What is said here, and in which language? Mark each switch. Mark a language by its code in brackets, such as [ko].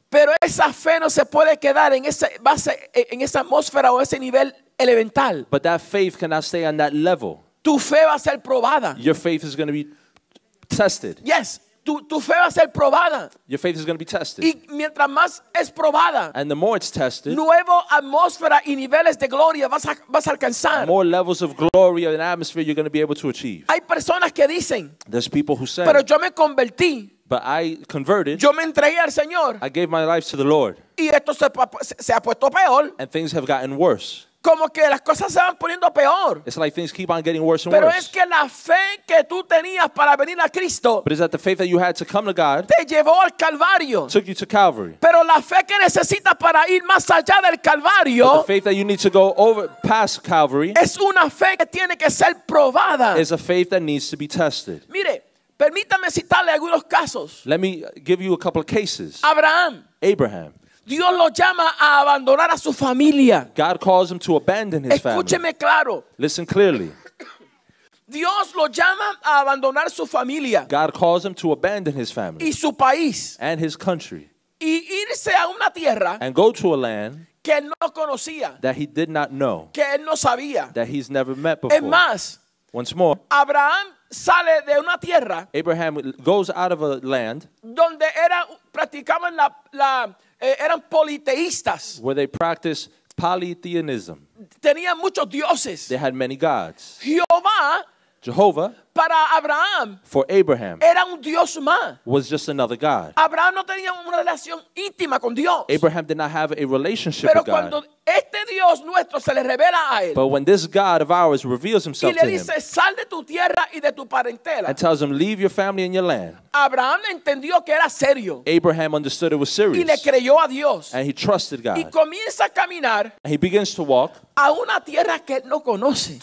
[es] Pero esa fe no se puede quedar en esa base, en esa atmósfera o ese nivel elemental. [en] But that faith cannot stay on that level. [es] Tu fe va a ser probada. [en] Your faith is going to be tested. [es] Yes, tu fe va a ser probada. [en] Your faith is going to be tested. [es] Y mientras más es probada, [en] and the more it's tested, [es] nuevo atmósfera y niveles de gloria vas a alcanzar. [en] More levels of glory and atmosphere you're going to be able to achieve. [es] Hay personas que dicen, [en] there's people who say, [es] pero yo me convertí. [en] But I converted. [es] Yo me entregué al Señor. [en] I gave my life to the Lord. [es] Y esto se ha puesto peor. [en] And things have gotten worse. [es] Como que las cosas se van poniendo peor. [en] It's like things keep on getting worse and [es] pero [en] worse. [es] Pero es que la fe que tú tenías para venir a Cristo. [en] But is that the faith that you had to come to God. [es] Te llevó al Calvario. [en] Took you to Calvary. [es] Pero la fe que necesitas para ir más allá del Calvario. [en] But the faith that you need to go over past Calvary. [es] Es una fe que tiene que ser probada. [en] Is a faith that needs to be tested. [es] Mire, permítame citarle algunos casos. [en] Let me give you a couple of cases. [es] Abraham. [en] Abraham. [es] Dios lo llama a abandonar a su familia. [en] God calls him to abandon his family. [es] Escúcheme claro. [en] Listen clearly. [es] Dios lo llama a abandonar su familia. [en] God calls him to abandon his family. [es] Y su país. [en] And his country. [es] Y irse a una tierra. [en] And go to a land. [es] Que él no conocía. [en] That he did not know. [es] Que él no sabía. [en] That he's never met before. [es] Es más. [en] Once more. [es] Abraham sale de una tierra. [en] Abraham goes out of a land. [es] Donde era, practicaban la eran politeístas. [en] Where they practiced polytheism. [es] Tenían muchos dioses. [en] They had many gods. [es] Jehová. [en] Jehovah. [es] Para Abraham. [en] For Abraham. [es] Era un dios más. [en] Was just another god. [es] Abraham no tenía una relación íntima con Dios. [en] Abraham did not have a relationship [es] pero [en] with God. [es] Pero cuando este dios nuestro se le revela a él. [en] But when this god of ours reveals himself to him. [es] Y le dice, sal de tu tierra y de tu parentela. [en] And tells him, leave your family and your land. [es] Abraham entendió que era serio. [en] Abraham understood it was serious. [es] Y le creyó a Dios. [en] And he trusted God. [es] Y comienza a caminar. [en] And he begins to walk. [es] A una tierra que él no conoce.